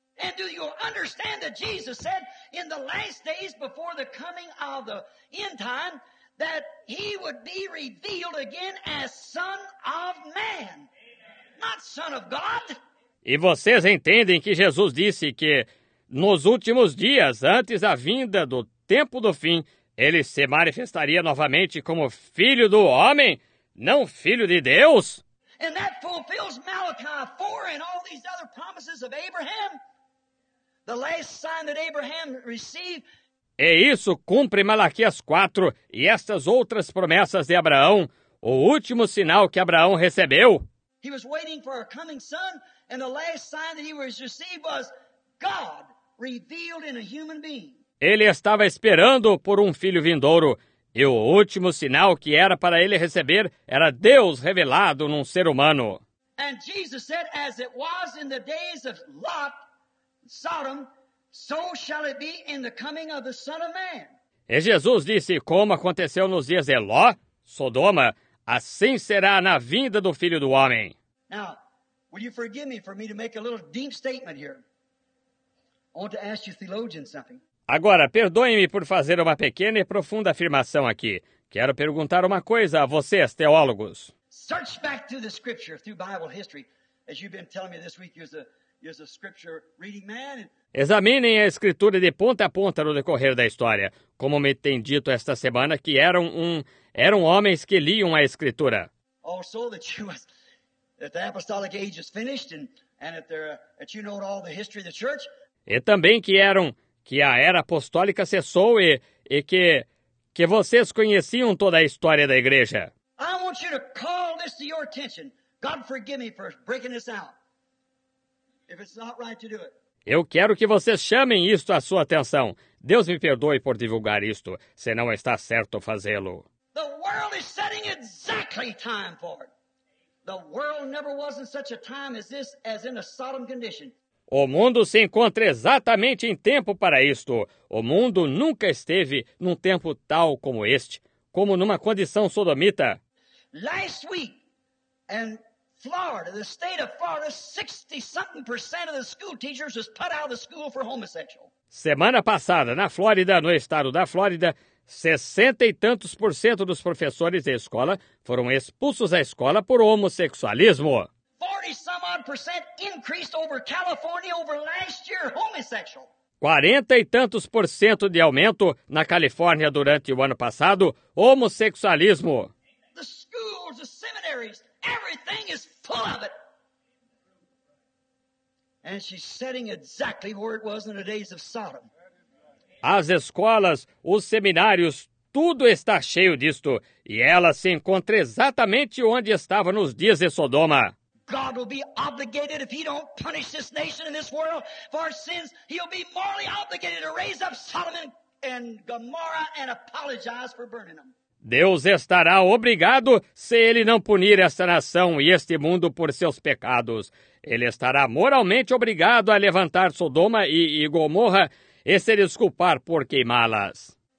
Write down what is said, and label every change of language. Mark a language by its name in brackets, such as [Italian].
[Portuguese] E você entende que Jesus disse, nos últimos dias, antes da chegada do fim do tempo, que ele seria de novo revelado como filho do homem, não filho de Deus. E vocês entendem que Jesus disse que, nos últimos dias, antes da vinda do tempo do fim, ele se manifestaria novamente como filho do homem, não filho de Deus? [English] And that fulfills Malachi 4 and all these other promises of Abraham. The last sign that Abraham received. [Portuguese] E isso cumpre Malaquias 4 e estas outras promessas de Abraão, o último sinal que Abraão recebeu. [English] He was waiting for a coming son, and the last sign that he was received was God revealed in a human being. [Portuguese] Ele estava esperando por um filho vindouro, e o último sinal que era para ele receber era Deus revelado num ser humano. [English] And Jesus said, as it was in the days of Lot, Sodom, so shall it be in the coming of the Son of Man. [Portuguese] E Jesus disse, como aconteceu nos dias de Ló, Sodoma, assim será na vinda do Filho do Homem. [English] Now, will you forgive me for me to make a little deep statement here? I want to ask you theologians something. [Portuguese] Agora, perdoe-me por fazer uma pequena e profunda afirmação aqui. Quero perguntar uma coisa a vocês, teólogos. [English] Search back to the scripture through Bible history, as you've been telling me this week, you're a scripture reading man. [Portuguese] Examinem a escritura de ponta a ponta no decorrer da história, como me tem dito esta semana que eram homens que liam a escritura. [English] Also that the apostolic age is finished and that you know all the history of the church. [Portuguese] E também que a era apostólica cessou e que vocês conheciam toda a história da igreja. [English] I want you to call this to your attention. God forgive me for breaking this out. If it's not right to do it. [Portuguese] Eu quero que vocês chamem isto à sua atenção. Deus me perdoe por divulgar isto, se não está certo fazê-lo. [English] The world is setting exactly time for it. The world never was in such a time as this, as in a Sodom condition. [Portuguese] O mundo se encontra exatamente em tempo para isto. O mundo nunca esteve num tempo tal como este, como numa condição sodomita. [English] Last week, and Florida, the state of Florida, 60-something percent of the school teachers was put out of the school for homosexual. [Portuguese] Semana passada, na Flórida, no estado da Flórida, [English] 60-something% [Portuguese] dos professores da escola foram expulsos da escola por homossexualismo. [English] 40-some-odd percent increased over California over last year, homosexual. 40-something% [Portuguese] de aumento na Califórnia durante o ano passado, homossexualismo. [English] The schools, the seminaries, everything is full of it. And she's setting exactly where it was in the days of Sodom. [Portuguese] As escolas, os seminários, tudo está cheio disto. E ela se encontra exatamente onde estava nos dias de Sodoma. [English] God will be obligated if he don't punish this nation and this world for our sins. He'll be morally obligated to raise up Sodom and Gomorrah and apologize for burning them. [Portuguese] Deus estará obrigado se ele não punir esta nação e este mundo por seus pecados. Ele estará moralmente obrigado a levantar Sodoma e Gomorra e se desculpar por queimá-las.